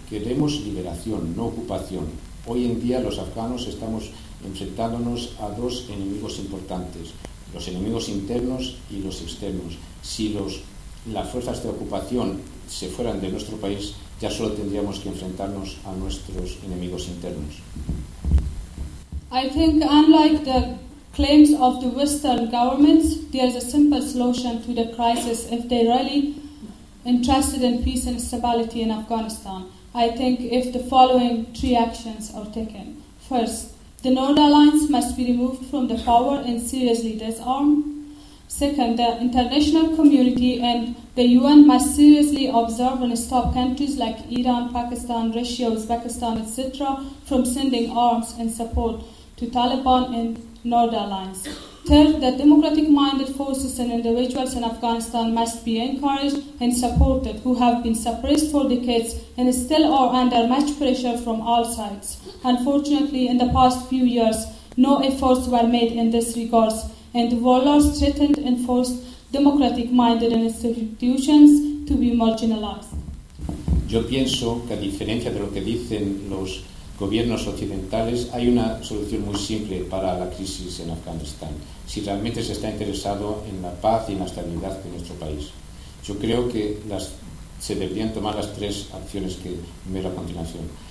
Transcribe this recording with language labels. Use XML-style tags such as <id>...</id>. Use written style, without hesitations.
<es>Queremos liberación, no ocupación. Hoy en día los afganos estamos enfrentándonos a dos enemigos importantes, los enemigos internos y los externos. Si las fuerzas de ocupación se fueran de nuestro país, ya solo tendríamos que enfrentarnos a nuestros enemigos internos.</es> <en>I think unlike the claims of the Western governments, there's a simple solution to the crisis if they really interested in peace and stability in Afghanistan. I think if the following three actions are taken. First, the Nord Alliance must be removed from the power and seriously disarmed. Second, the international community and the UN must seriously observe and stop countries like Iran, Pakistan, Russia, Uzbekistan, etc. from sending arms and support to Taliban and Nord Alliance. Third, the democratic-minded forces and individuals in Afghanistan must be encouraged and supported, who have been suppressed for decades and still are under much pressure from all sides. Unfortunately, in the past few years, No efforts were made in this regard, and warlords threatened and forced democratic-minded institutions to be marginalized.</en> <es>Yo pienso que a diferencia de lo que dicen los gobiernos occidentales, hay una solución muy simple para la crisis en Afganistán, si realmente se está interesado en la paz y en la estabilidad de nuestro país. Yo creo que se deberían tomar las tres acciones que veo a continuación.</es>